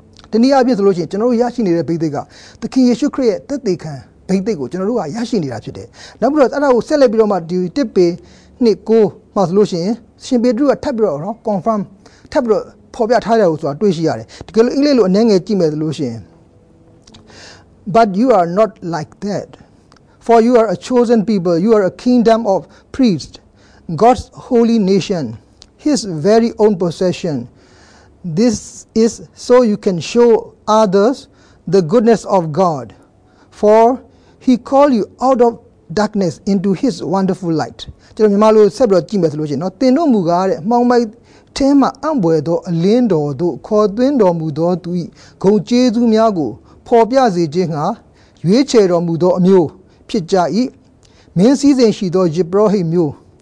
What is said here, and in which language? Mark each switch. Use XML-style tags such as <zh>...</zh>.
<my>တနည်းအားဖြင့်ဆိုလို့ရှိရင်ကျွန်တော်တို့ရရှိနေတဲ့ဘိတ်သိက်ကသခင်ယေရှုခရစ်ရဲ့သက်သည်ခံဘိတ်သိက်ကိုကျွန်တော်တို့ကရရှိနေတာဖြစ်တယ်နောက်ပြီးတော့အဲ့ဒါကိုဆက်လက်ပြီးတော့မှဒီတစ်ပေ2:9မှာဆိုလို့ရှိရင်ရှင်ပေတရုကထပ်ပြီးတော့နော် confirm ထပ်ပြီးတော့ပေါ်ပြထားတယ်ဆိုတာတွေ့ရှိရတယ်တကယ်လို့အင်္ဂလိပ်လိုအနှဲငယ်ကြည့်မယ်ဆိုလို့ရှိရင်</my> <en>But you are not like that. For you are a chosen people. You are a kingdom of priests, God's holy nation, His very own possession. This is so you can show others the goodness of God. For He called you out of darkness into His wonderful light.</en> <my>ကျွန်တော်မြန်မာလိုဆက်ပြီးတော့ကြည့်မယ်လို့ရှိရင်နော်တင်တော်မူကားတဲ့မှောင်ပိုက်တဲမှာအံ့ဘွယ်တော်အလင်းတော်တို့ခေါ်သွင်းတော်မူသောသူ၏ဂုဏ်ကျေးဇူးများကိုပေါ်ပြစေခြင်းဟာရွေးချယ်တော်မူသောအမျိုးဖြစ်ကြ၏မင်းစည်းစိမ်ရှိသောယေဘရဟိမျိုး</my>